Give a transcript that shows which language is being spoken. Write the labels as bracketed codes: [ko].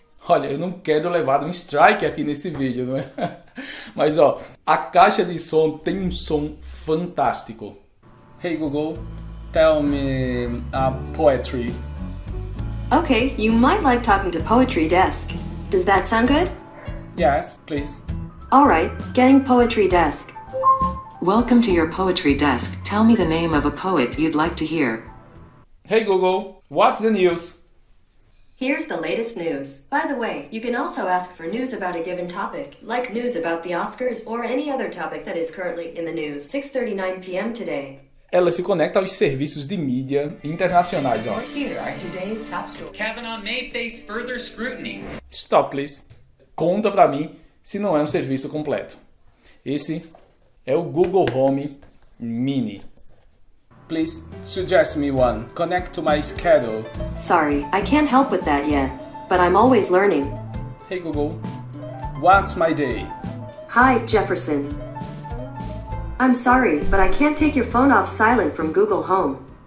[pt] Olha, eu não quero levar um strike aqui nesse vídeo, não é? Mas ó, a caixa de som tem um som fantástico. [en] Hey Google, tell me a poetry. Okay, you might like talking to Poetry Desk. Does that sound good? Yes, please. Alright, getting Poetry Desk. Welcome to your Poetry Desk. Tell me the name of a poet you'd like to hear. Hey Google, what's the news? Here's the latest news. By the way, you can also ask for news about a given topic, like news about the Oscars or any other topic that is currently in the news. 6:39 PM today. [pt] Ela se conecta aos serviços de mídia internacionais, ó. [en] Here are today's top stories. Kavanaugh may face further scrutiny. Stop, please. [pt] Conta pra mim se não é um serviço completo. Esse é o Google Home Mini. [en] Please suggest me one. Connect to my schedule. Sorry, I can't help with that yet. But I'm always learning. Hey Google, what's my day? Hi, Jefferson. I'm sorry, but I can't take your phone off silent from Google Home.